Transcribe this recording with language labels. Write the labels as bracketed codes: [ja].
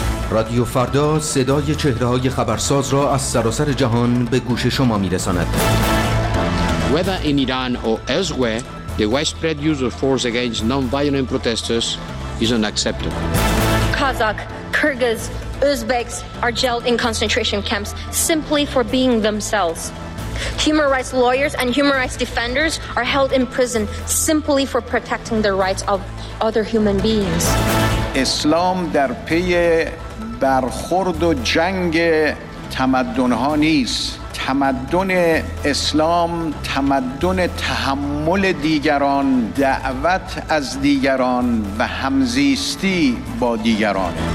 [fa] رادیو فردا صدای چهره‌های خبرساز را از سراسر جهان به گوش شما می‌رساند. [en] Whether in Iran or elsewhere, the widespread use of force against non-violent protesters is unacceptable. Kazakh, Kyrgyz, Uzbeks are jailed in concentration camps simply for being themselves. Human rights lawyers and human rights defenders are held in prison simply for protecting the rights of other human beings. [fa] اسلام در پی برخورد و جنگ تمدن‌ها نیست. تمدن اسلام تمدن تحمل دیگران، دعوت از دیگران و همزیستی با دیگران.